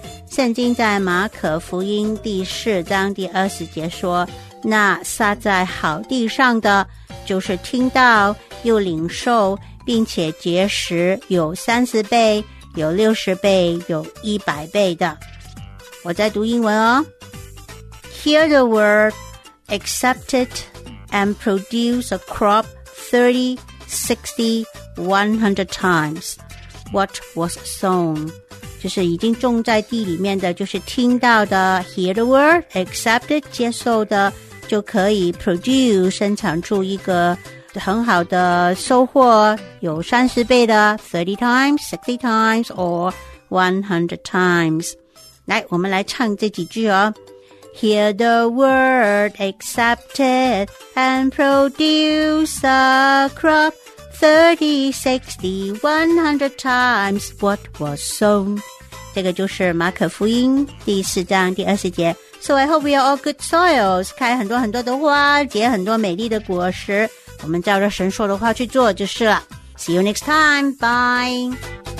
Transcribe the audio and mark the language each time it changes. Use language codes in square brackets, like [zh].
[zh] 圣经在马可福音第四章第二十节说，那撒在好地上的就是听到又领受，并且结实，有三十倍，有六十倍，有一百倍的。我在读英文哦。 [en] Hear the word, accept it and produce a crop 30, 60, 100 times what was sown， [zh] 就是已经种在地里面的，就是听到的 [en] hear the word, accept it, [zh] 接受的，就可以 [en] produce [zh] 生产出一个很好的收获，有30倍的 [en] 30 times, 60 times or 100 times。 [zh] 来，我们来唱这几句哦。 [en] Hear the word, accept it and produce a crop 30, 60, 100 times what was sown。 [zh] 这个就是马可福音第四章第二十节。 [en] So I hope we are all good soils， [zh] 开很多很多的花，结很多美丽的果实，我们照着神说的话去做就是了。 [en] See you next time, bye。